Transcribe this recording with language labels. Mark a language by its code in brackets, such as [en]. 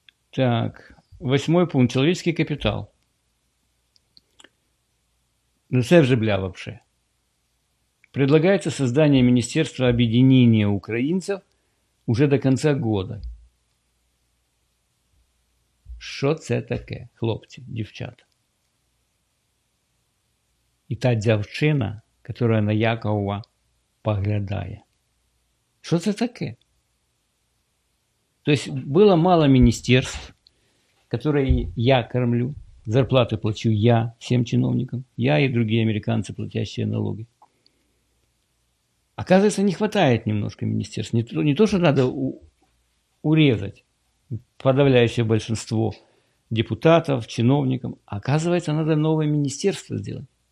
[ru] Так, восьмой пункт. Человеческий капитал. Ну, [uk] це вже [ru] бля вообще. Предлагается создание Министерства объединения украинцев уже до конца года. [uk] Що це таке, хлопці, дівчата? І та дівчина, [ru] которая [uk] на Якова поглядає. Що це таке? Тобто було мало міністерств, які я кормлю, зарплати плачу я всім чиновникам, я і інші американці, [ru] платящие налоги. Оказывается, не хватает немножко міністерств. [uk] Не то, що треба урезати подавляюще більшість депутатів, чиновникам. [ru] Оказывается, [uk] треба нове міністерство зробити.